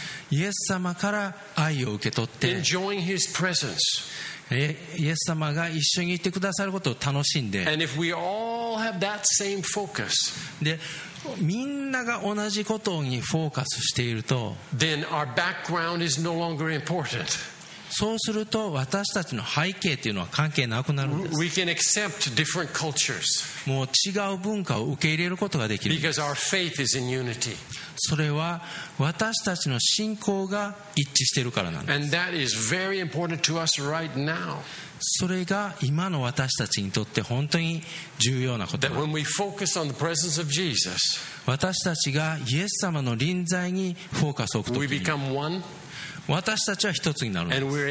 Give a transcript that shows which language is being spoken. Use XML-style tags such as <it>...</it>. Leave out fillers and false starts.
<ja>イエス様から愛を受け取って、</ja> <en>enjoying his presence、</en> <ja>イエス様が一緒にいてくださることを楽しんで、</ja> <en>and if we all have that same focus、</en> <ja>で、みんなが同じことにフォーカスしていると、</ja> <en>then our background is no longer important。</en> <ja>そうすると私たちの背景というのは関係なくなるんです。</ja> <en>We can accept different cultures。</en> <ja>もう違う文化を受け入れることができるんです。</ja> <en>Because our faith is in unity。</en> <ja>それは私たちの信仰が一致しているからなんです。</ja> <en>And that is very important to us right now。</en> <ja>それが今の私たちにとって本当に重要なことです。</ja> <en>That when we focus on the presence of Jesus。</en> <ja>私たちがイエス様の臨在にフォーカスを置くときに、</ja> <en>we become one。</en> <ja>私たちは一つになるんです。</ja>